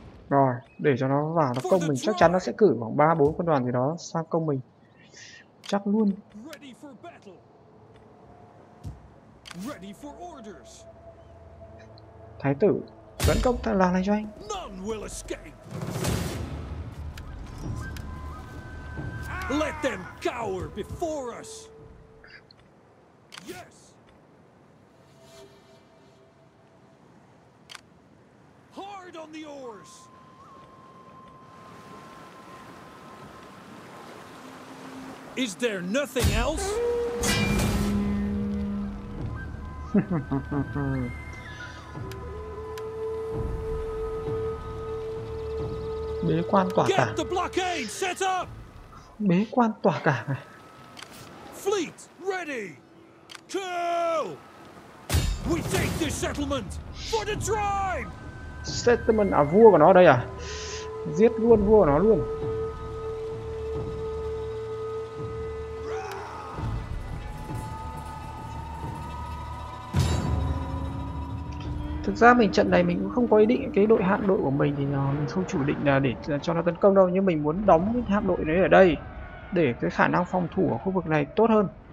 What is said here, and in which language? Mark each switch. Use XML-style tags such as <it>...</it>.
<vi>Rồi, để cho nó vào nó công mình. Chắc chắn nó sẽ cử khoảng 3-4 quân đoàn gì đó sang công mình. Chắc luôn.</vi> <en>Ready for battle. Ready for orders.</en> <vi>Thái tử tấn công tại làng này cho anh.</vi> <en>None will escape. Let them cower before us. Yes. Hard on the oars. Is there nothing else?</en> <vi>Bế quan tỏa cả.</vi> <en>Get the blockade set up.</en> <vi>Bế quan tỏa cả.</vi> <en>Fleet ready. Kill. We take this settlement for the tribe.</en> <vi>Settlement à, vua của nó đây à? Giết luôn vua của nó luôn. Thực ra mình trận này mình cũng không có ý định cái đội hạm đội của mình thì mình không chủ định là để cho nó tấn công đâu, nhưng mình muốn đóng cái hạm đội đấy ở đây để cái khả năng phòng thủ ở khu vực này tốt hơn.</vi>